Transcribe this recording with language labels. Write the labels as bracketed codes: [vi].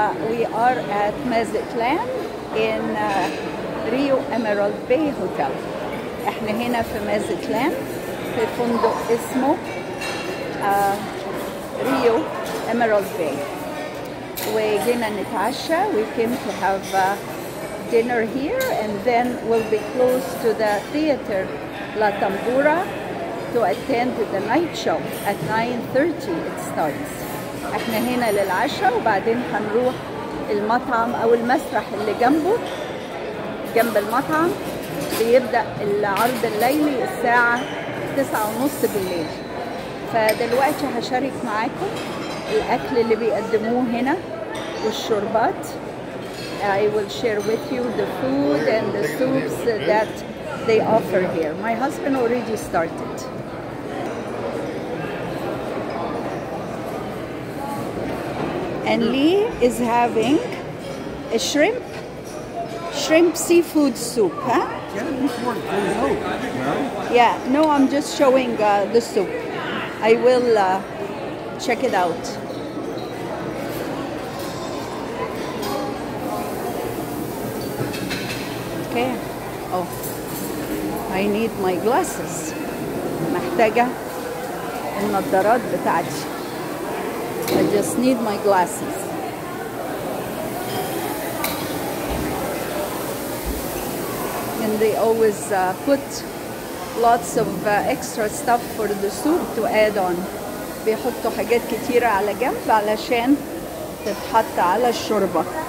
[en] We are at Mazatlán in Rio Emerald Bay Hotel. [ar] احنا هنا في مازتلان في فندق اسمه Rio Emerald Bay. وجينا نتعشى. [en] We came to have dinner here and then we'll be close to the theater La Tambora to attend the night show at 9:30 it starts. [ar] احنا هنا للعشاء وبعدين هنروح المطعم او المسرح اللي جنبه جنب المطعم بيبدأ العرض الليلي الساعة 9:30 بالليل. فدلوقتي هشارك معاكم الأكل اللي بيقدموه هنا والشربات. [en] I will share with you the food and the soups that they offer here. My husband already started. And Lee is having a shrimp seafood soup, huh? Yeah, no, I'm just showing the soup. I will check it out. Okay. Oh, I need my glasses. [ar] محتاجة النظارات بتاعتي. [en] I just need my glasses. And they always put lots of extra stuff for the soup to add on. [ar] بيحطوا حاجات كتيرة على جنب علشان تتحط على الشوربة.